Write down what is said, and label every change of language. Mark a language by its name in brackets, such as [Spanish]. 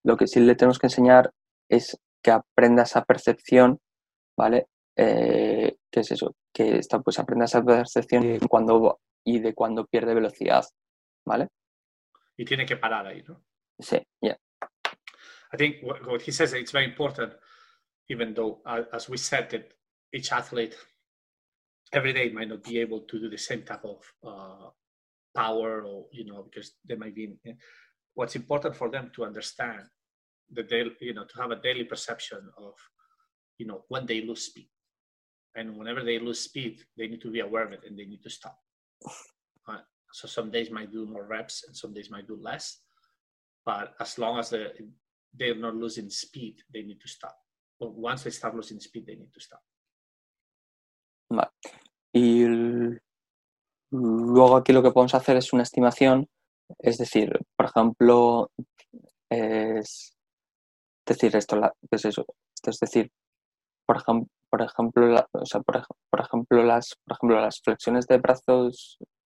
[Spanish] Lo que sí le tenemos que enseñar es que aprenda esa percepción, ¿vale? ¿Qué es eso? Que está, pues aprenda esa percepción cuando pierde velocidad, ¿vale? Y tiene que parar ahí, ¿no? Sí, yeah. [English] I think what he says, it's very important, even though, as we said, that each athlete every day might not be able to do the same type of power, or, you know, because they might be, what's important for them to understand that they, you know, to have a daily perception of, you know, when they lose speed. And whenever they lose speed, they need to be aware of it and they need to stop. So some days might do more reps and some days might do less, but as long as they're not losing speed, they need to stop. But once they start losing speed, they need to stop. [Spanish] Y luego aquí lo que podemos hacer es una estimación, es decir, por ejemplo, las flexiones de brazos,